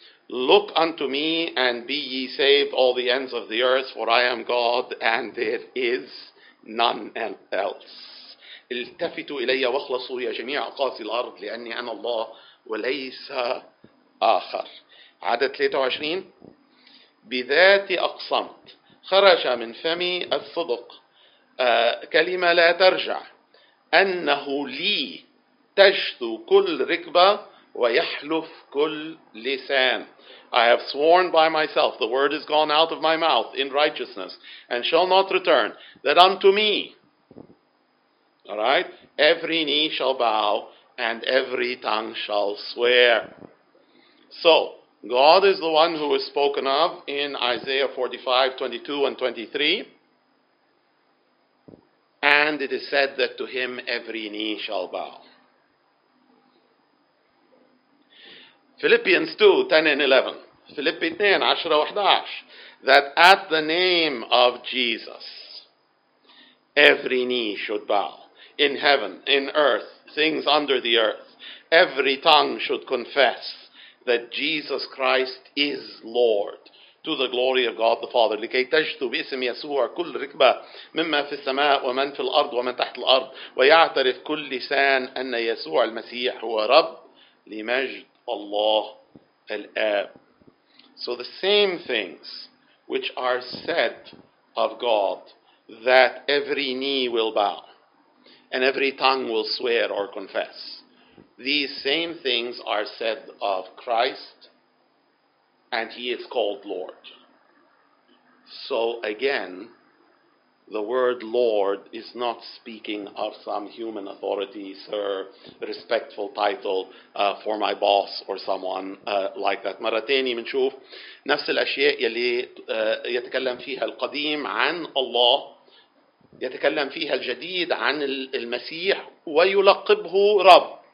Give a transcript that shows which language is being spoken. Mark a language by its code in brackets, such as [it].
[en] Look unto me, and be ye saved, all the ends of the earth, for I am God, and there is none else. [ar] التفتوا إلي واخلصوا يا جميع أقاصي الأرض، لأني أنا الله وليس آخر. عدد 23. بذاتي أقسمت، خرج من فمي الصدق، كلمة لا ترجع، أنه لي تجثو كل ركبة ويحلف كل لسان. [en] I have sworn by myself, the word is gone out of my mouth in righteousness, and shall not return, that unto me, all right, every knee shall bow, and every tongue shall swear. So, God is the one who is spoken of in Isaiah 45:22 and 23, and it is said that to him every knee shall bow. Philippians 2:10 and 11. Philippians 2:10-11. That at the name of Jesus, every knee should bow. In heaven, in earth, things under the earth, every tongue should confess that Jesus Christ is Lord, to the glory of God the Father. [ar] لكي تجثو باسم يسوع كل ركبة مما في السماء ومن في الأرض ومن تحت الأرض ويعترف كل لسان أن يسوع المسيح هو رب لمجد Allah al-Ab. [en] So the same things which are said of God, that every knee will bow and every tongue will swear or confess, these same things are said of Christ, and he is called Lord. So again, the word Lord is not speaking of some human authority, sir, respectful title for my boss or someone like that. [ar] مرة تاني منشوف نفس الأشياء يلي يتكلم فيها القديم عن الله يتكلم فيها الجديد عن المسيح ويلقبه رب.